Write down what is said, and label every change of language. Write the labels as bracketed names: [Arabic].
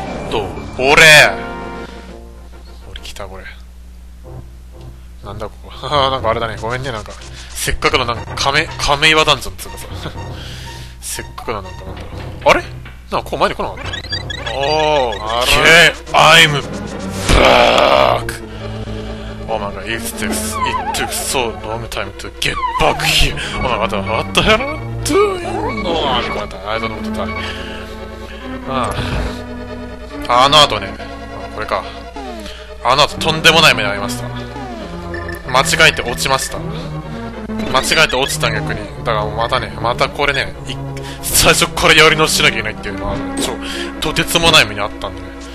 [Japanese] どう、俺来た、これ。なんだ、ここ。なんかあれだね。ごめんね、なんか。せっかくの、なんか、亀岩ダンジョンつうかさ。せっかくの、なんか、なんだろう。あれ、なんか、こう前に来なかった。 [English] おー、あら。OK! I'm back! Oh my god, it took so long time to get back here! Oh my god, what the hell are you doing? Oh my god, I don't know what to do. [Japanese] あの後ね、これか。あの後とんでもない目に遭いました。間違えて落ちました。間違えて落ちた逆に。だからまたね、またこれね、最初からやり直しなきゃいけないっていうのは、とてつもない目に遭ったんだね。